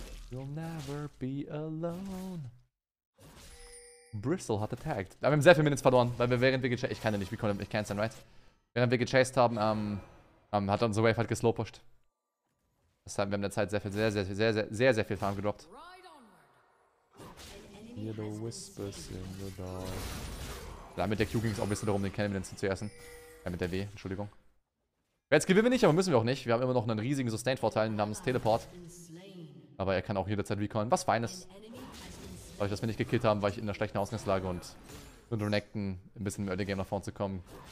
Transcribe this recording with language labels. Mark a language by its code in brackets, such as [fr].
[en] You'll never be alone. Bristle hat attacked. [de] Aber wir haben sehr viele Minutes verloren, weil wir während wir gechased. Ich kann ihn nicht, wie konnte ich kann sein, [en] right? [de] Während wir gechased haben, hat er unsere Wave halt geslowpushed. Deshalb haben wir in der Zeit sehr viel, sehr, sehr, sehr, sehr, sehr, sehr, sehr viel Farm gedroppt. [en] Hear the whispers in the dark. [de] Ja, mit der Q ging es auch ein bisschen darum, den Cannon zu essen. Ja, mit der W, Entschuldigung. Jetzt gewinnen wir nicht, aber müssen wir auch nicht. Wir haben immer noch einen riesigen Sustain-Vorteil namens Teleport. Aber er kann auch jederzeit recallen. Was Feines. Dadurch, dass wir nicht gekillt haben, war ich in einer schlechten Ausgangslage und mit Renekton ein bisschen im Early Game nach vorne zu kommen.